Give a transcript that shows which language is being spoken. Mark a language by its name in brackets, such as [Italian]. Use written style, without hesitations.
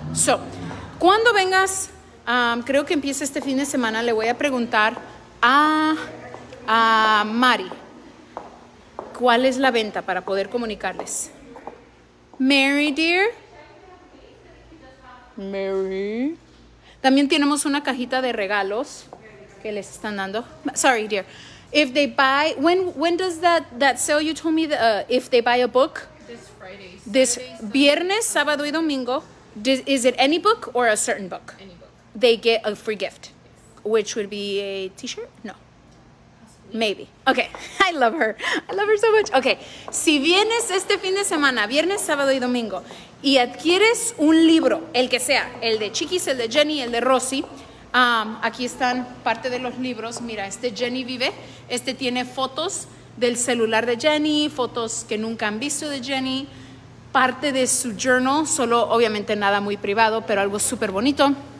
[Spanish] So, cuando vengas, creo que empieza este fin de semana, le voy a preguntar a Mari, ¿cuál es la venta para poder comunicarles? [English] Mary, dear. Mary. [Spanish] También tenemos una cajita de regalos que les están dando. [English] Sorry, dear. If they buy, when does that sale you told me, if they buy a book? This viernes, sábado y domingo, is it any book or a certain book? Any book. They get a free gift, yes. Which would be a t-shirt? No. Maybe. Okay. I love her. I love her so much. Okay. [Spanish] Si vienes este fin de semana, viernes, sábado y domingo, y adquieres un libro, el que sea, el de Chiquis, el de Jenny, el de Rosy, aquí están parte de los libros. Mira, este Jenny vive. Este tiene fotos del celular de Jenny, fotos que nunca han visto de Jenny, parte de su journal, solo obviamente nada muy privado, pero algo súper bonito.